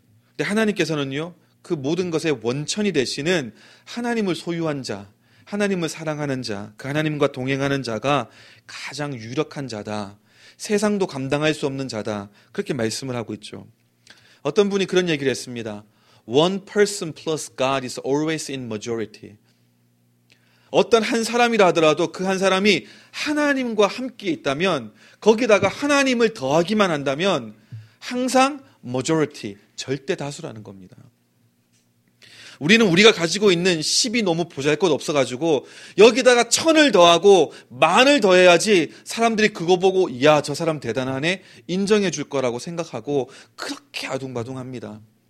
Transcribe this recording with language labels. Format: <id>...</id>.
<ko>근데 하나님께서는요, 그 모든 것의 원천이 되시는 하나님을 소유한 자, 하나님을 사랑하는 자, 그 하나님과 동행하는 자가 가장 유력한 자다. 세상도 감당할 수 없는 자다 그렇게 말씀을 하고 있죠. 어떤 분이 그런 얘기를 했습니다.</ko> <en>One person plus God is always in majority.</en> <ko>어떤 한 사람이라 하더라도 그 한 사람이 하나님과 함께 있다면 거기다가 하나님을 더하기만 한다면 항상 majority, 절대 다수라는 겁니다. 우리는 우리가 가지고 있는 10이 너무 보잘것 없어가지고 여기다가 1000을 더하고 만을 더해야지 사람들이 그거 보고 이야 저 사람 대단하네 인정해 줄 거라고 생각하고 그렇게 아둥바둥합니다.</ko>